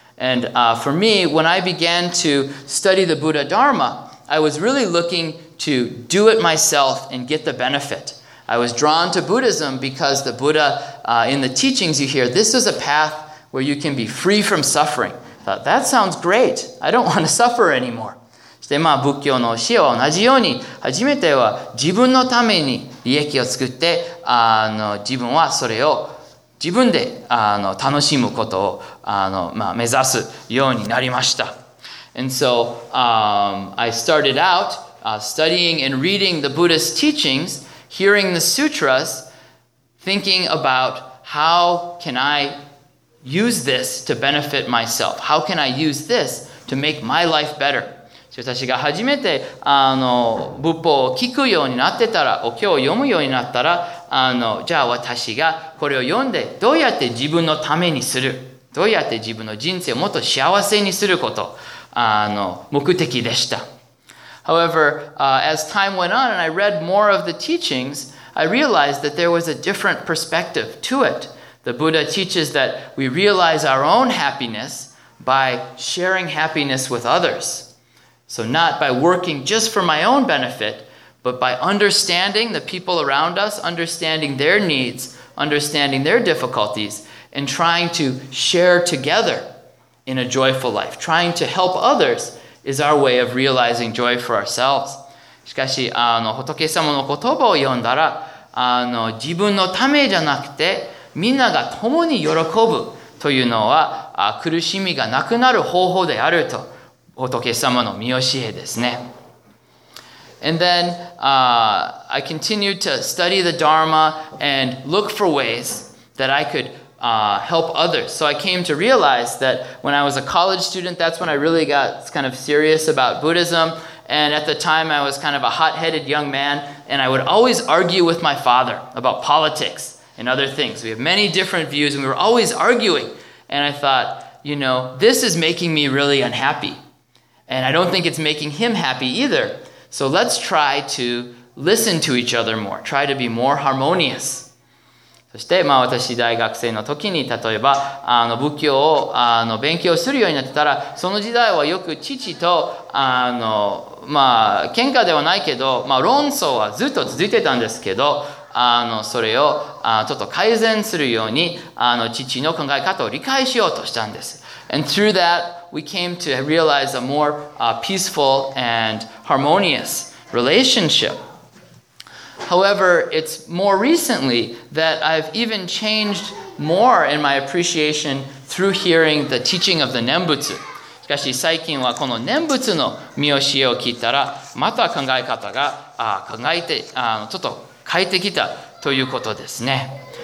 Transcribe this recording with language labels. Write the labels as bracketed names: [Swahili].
[English] And for me, when I began to study the Buddha Dharma, I was really looking to do it myself and get the benefit. I was drawn to Buddhism because the Buddha, in the teachings you hear, this is a path where you can be free from suffering. I thought, that sounds great. I don't want to suffer anymore. [Japanese] そして、まあ、仏教の教えは同じように、初めては自分のために利益を作って、自分はそれを自分で、楽しむことを、まあ、目指すようになりました。 [English] And so, I started out, studying and reading the Buddhist teachings,hearing the sutras, thinking about how can I use this to benefit myself? How can I use this to make my life better? [Japanese] 私が初めて仏法を聞くようになってたら、お経を読むようになったら、じゃあ私がこれを読んで、どうやって自分のためにする、どうやって自分の人生をもっと幸せにすること、目的でした。 [English] However, as time went on and I read more of the teachings, I realized that there was a different perspective to it. The Buddha teaches that we realize our own happiness by sharing happiness with others. So not by working just for my own benefit, but by understanding the people around us, understanding their needs, understanding their difficulties, and trying to share together in a joyful life, trying to help others. Is our way of realizing joy for ourselves. [Japanese] しかし、仏様の言葉を読んだら、自分のためじゃなくて、みんなが共に喜ぶというのは、苦しみがなくなる方法であると、仏様の御教えですね。 [English] And then, I continued to study the Dharma and look for ways that I could,help others. So I came to realize that when I was a college student, that's when I really got kind of serious about Buddhism. And at the time, I was kind of a hot-headed young man, and I would always argue with my father about politics and other things. We have many different views, and we were always arguing. And I thought, this is making me really unhappy. And I don't think it's making him happy either. So let's try to listen to each other more, try to be more harmonious. [Japanese] そして、まあ、私大学生の時に例えば仏教を勉強するようになってたらその時代はよく父とまあ喧嘩ではないけど、まあ、論争はずっと続いてたんですけどそれをちょっと改善するように父の考え方を理解しようとしたんです。 [English] And through that we came to realize a more peaceful and harmonious relationship. However, it's more recently that I've even changed more in my appreciation through hearing the teaching of the Nembutsu. [Japanese] しかし最近はこの Nembutsu の御教えを聞いたら、また考え方が考えてちょっと変えてきたということですね。